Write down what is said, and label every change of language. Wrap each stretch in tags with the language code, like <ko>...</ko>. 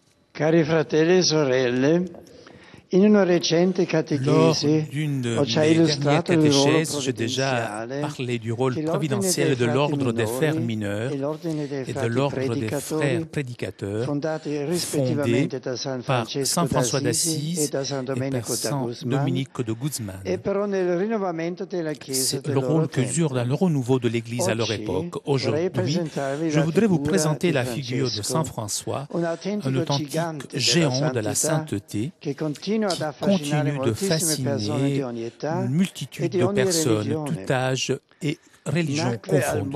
<it>Cari fratelli e sorelle, in una recente catechesi ho già illustrato il ruolo provvidenziale</it> <fr>du rôle providentiel de l'ordre des frères mineurs et de l'ordre des frères prédicateurs</fr> <it>fondati rispettivamente da San Francesco d'Assisi e da San Domenico da Guzman. E però nel rinnovamento della Chiesa del loro tempo,</it> <fr>dans le renouveau de l'Église à leur époque, aujourd'hui, je voudrais vous présenter la figure de Saint François, un authentique géant de la sainteté</fr> <it>che continua</it> <fr>continue de fasciner une multitude de personnes, tout âge et religion confondue.</fr>